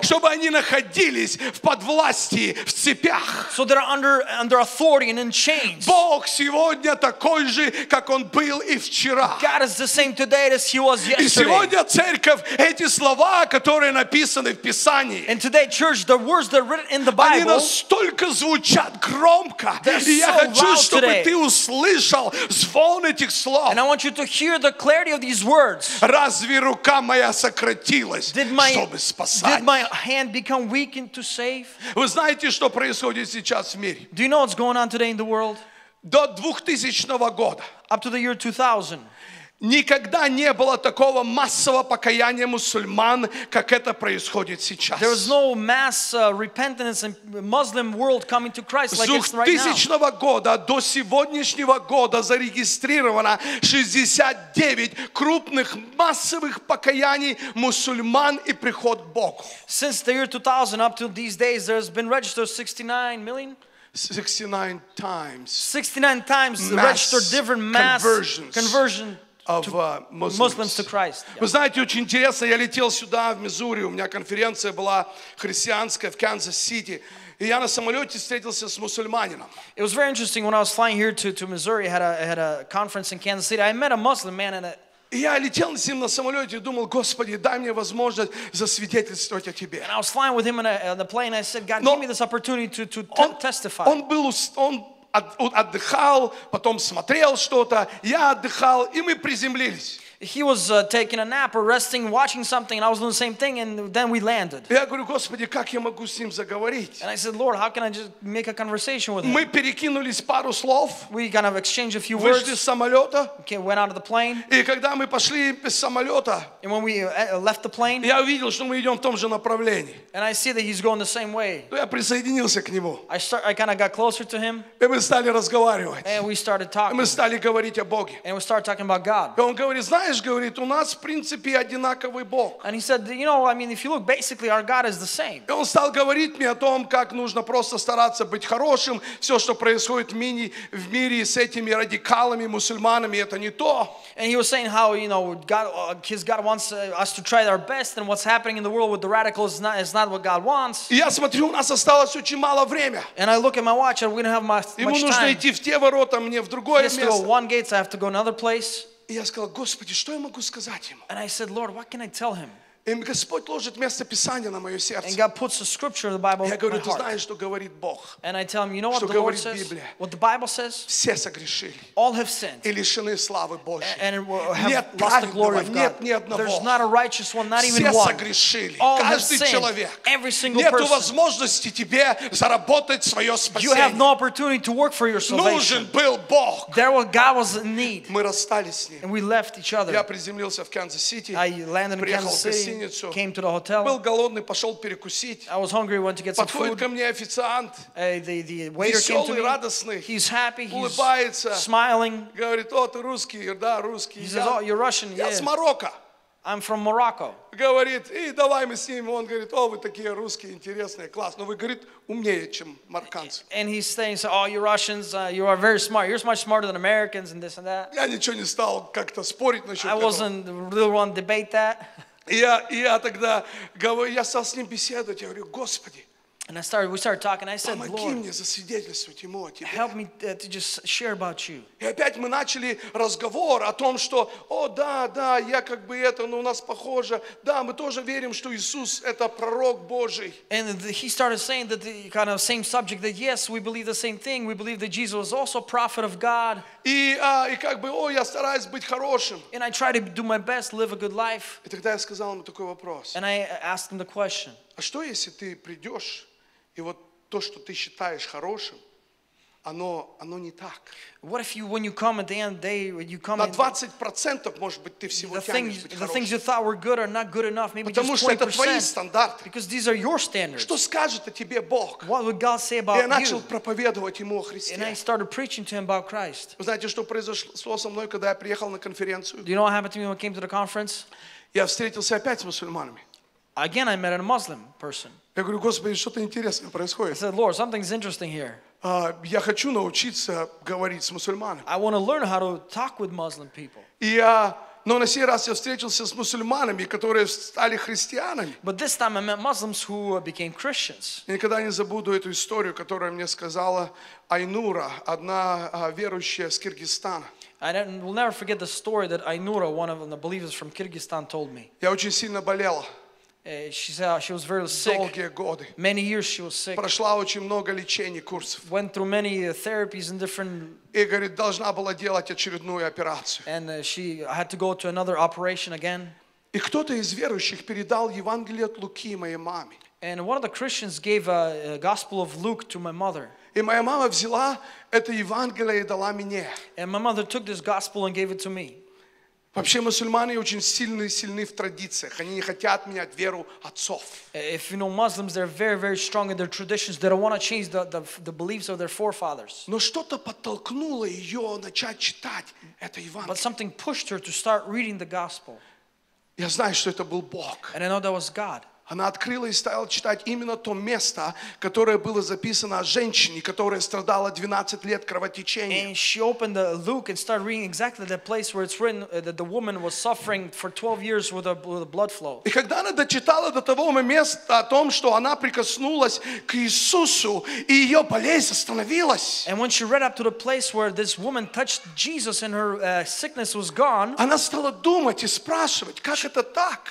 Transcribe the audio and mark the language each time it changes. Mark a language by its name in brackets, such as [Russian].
[Russian] Чтобы они находились в подвластии, в цепях. [English] So they're under authority and in chains. [Russian] Бог сегодня такой же, как Он был и вчера. [English] God is the same today as He [Russian] И сегодня церковь эти слова, которые написаны в Писании, [English] and today, church, the words that are written in the Bible, [Russian] они настолько звучат громко, и я хочу, чтобы ты услышал звон этих слов. [English] And I want you to hear the clarity of these words. [Russian] Разве рука моя сократилась, чтобы спасать? [English] Did my hand become weakened to save? [Russian] Вы знаете, что происходит сейчас в мире? [English] Do you know what's going on today in the world? [Russian] До 2000 года. [English] Up to the year 2000. [Russian] Никогда не было такого массового покаяния мусульман, как это происходит сейчас. [English] There was no mass repentance in Muslim world coming to Christ like it's right now. [Russian] С 2000 года до сегодняшнего года зарегистрировано 69 крупных массовых покаяний мусульман и приход к Богу. [English] Since the year 2000 up to these days, there has been registered 69 million. 69 times. 69 times registered different mass conversion. Muslims to Christ. Yeah. [Russian] Вы знаете, очень интересно, я летел сюда, в Миссури, у меня конференция была христианская в Канзас-Сити, и я на самолете встретился с мусульманином. [English] It was very interesting, when I was flying here to Missouri, I had a conference in Kansas City, I met a Muslim man in a... [Russian] И я летел с ним на самолете и думал, Господи, дай мне возможность засвидетельствовать о Тебе. [English] And I was flying with him on the plane, I said, God, give me this opportunity to testify. [Russian] Отдыхал, потом смотрел что-то, я отдыхал, и мы приземлились. [English] He was taking a nap or resting, watching something, and I was doing the same thing, and then we landed. [Russian] Я говорю, Господи, как я могу с ним заговорить? [English] And I said, Lord, how can I just make a conversation with him? [Russian] Мы перекинулись пару слов. [English] We kind of exchanged a few [Russian] вышли [English] words. [Russian] Вышли с самолета. [English] Okay, went out of the plane. [Russian] И когда мы пошли без самолета, [English] and when we left the plane, [Russian] я увидел, что мы идем в том же направлении. [English] And I see that he's going the same way. [Russian] Ну, я присоединился к нему. [English] I kind of got closer to him. [Russian] И мы стали разговаривать. [English] And we started talking. [Russian] И мы стали говорить о Боге. [English] And we started talking about God. [Russian] И он говорит, говорит, у нас в принципе одинаковый Бог. [English] And he said, you know, I mean, if you look, basically, our God is the same. [Russian] И он стал говорить мне о том, как нужно просто стараться быть хорошим. Все, что происходит в мире с этими радикалами, мусульманами, это не то. [English] And he was saying how, you know, God, his God wants us to try our best, and what's happening in the world with the radicals is not what God wants. [Russian] И я смотрю, у нас осталось очень мало времени. [English] And I look at my watch, and we don't have much time. [Russian] Ему нужно идти в те ворота, мне в другое место. [English] He has to go one gate, so I have to go another place. [Russian] И я сказал, Господи, что я могу сказать ему? [English] And I said, Lord, what can I tell him? [Russian] Господь ложит место Писания на мое сердце. [English] And God puts the scripture, the Bible, [Russian] я говорю, [English] in my heart. [Russian] Ты знаешь, что говорит Бог? [English] And I tell him, you know [Russian] что [English] what the Lord says? [Russian] Библия? [English] What the Bible says? [Russian] Все согрешили. [English] All have sinned. [Russian] И лишены славы Божьей. [English] And have [Russian] нет [English] lost the glory of God. [Russian] Нет ни одного. [English] There's not a righteous one, not even [Russian] все [English] one. [Russian] Все согрешили. [English] All [Russian] каждый [English] have [Russian] человек. [English] Sinned. Every single [Russian] нету [English] person. [Russian] Нету возможности тебе заработать свое спасение. [English] You have no opportunity to work for your salvation. [Russian] Нужен был Бог. [English] There was God was in need. [Russian] Мы расстались с ним. [English] And we left each other. [Russian] Я приземлился в Канзас-Сити. [English] I landed in Kansas City. Came to the hotel. [Russian] Был голодный, пошел перекусить. [English] I was hungry, went to get [Russian] подходит [English] some food. [Russian] Ко мне официант. [English] The waiter [Russian] веселый, [English] came to me. [Russian] Радостный. [English] He's happy. He's [Russian] улыбается. [English] Smiling. [Russian] Говорит, о, ты русский, да, русский. [English] He says, oh, you're Russian. [Russian] Я с Марокко. [English] I'm from Morocco. [Russian] Говорит, и давай мы с ним. Он говорит, о, вы такие русские, интересные, класс. Но вы, говорит, умнее, чем марокканцы. [English] And he's saying, so, oh, you Russians, you are very smart. You're much smarter than Americans and this and that. [Russian] Я ничего не стал как-то спорить насчет этого. [English] I wasn't really want to debate that. [Russian] Я тогда говорю, я стал с ним беседовать, я говорю, Господи, [English] and I started, we started talking, I said, [Russian] помоги [English] Lord, [Russian] мне засвидетельствовать ему о тебе. [English] Help me to just share about you. [Russian] И опять мы начали разговор о том, что, о, да, да, я как бы это, но у нас похоже, да, мы тоже верим, что Иисус это пророк Божий. [English] And he started saying that the kind of same subject, that yes, we believe the same thing, we believe that Jesus was also a prophet of God. [Russian] И как бы, о, я стараюсь быть хорошим. [English] And I try to do my best, live a good life. [Russian] И тогда я сказал ему такой вопрос. [English] And I asked him the question. [Russian] А что, если ты придешь, и вот то, что ты считаешь хорошим, оно не так? [English] What if you, when you come at the end of the day, when you come [Russian] на 20%, может быть, ты всего тянешь быть хорошим. [English] The things you thought were good are not good enough. Maybe [Russian] потому [English] just [Russian] 20%. Что это твои стандарты. [English] Because these are your standards. [Russian] Что скажет о тебе Бог? [English] What would God say about you? [Russian] Я начал проповедовать ему о Христе. [English] And I started preaching to him about Christ. [Russian] Вы знаете, что произошло со мной, когда я приехал на конференцию? [English] Do you know what happened to me when I came to the conference? [Russian] Я встретился опять с мусульманами. [English] Again, I met a Muslim person. [Russian] Я говорю, Господи, что-то интересное происходит. [English] I said, Lord, something's interesting here. [Russian] Я хочу научиться говорить с мусульманами. [English] I want to learn how to talk with Muslim people. [Russian] Но на сей раз я встретился с мусульманами, которые стали христианами. [English] But this time I met Muslims who became Christians. [Russian] Я никогда не забуду эту историю, которую мне сказала Айнура, одна верующая из Киргизстана. [English] I will never forget the story that Айнура, one of the believers from Kyrgyzstan, told me. [Russian] Я очень сильно болела. [English] She said she was very sick. Many years she was sick. [Russian] Прошла очень много лечений, курсов. [English] Went through many therapies and different. [Russian] И говорит, должна была делать очередную операцию. [English] And she had to go to another operation again. [Russian] И кто-то из верующих передал Евангелие от Луки моей маме. [English] And one of the Christians gave a Gospel of Luke to my mother. [Russian] И моя мама взяла это Евангелие и дала мне. [English] And my mother took this Gospel and gave it to me. [Russian] Вообще мусульмане очень сильны в традициях. Они не хотят менять веру отцов. [English] If you know Muslims, they're very, very strong in their traditions. They don't want to change the beliefs of their forefathers. [Russian] Но что-то подтолкнуло ее начать читать это Евангелие. [English] But something pushed her to start reading the gospel. [Russian] Я знаю, что это был Бог. [English] And I know that was God. [Russian] Она открыла и стала читать именно то место, которое было записано о женщине, которая страдала 12 лет кровотечением. [English] And she opened the Luke and started reading exactly the place where it's written that the woman was suffering for 12 years with a blood flow. [Russian] И когда она дочитала до того места о том, что она прикоснулась к Иисусу, и ее болезнь остановилась. [English] And when she read up to the place where this woman touched Jesus and her sickness was gone. [Russian] Она стала думать и спрашивать, как это так?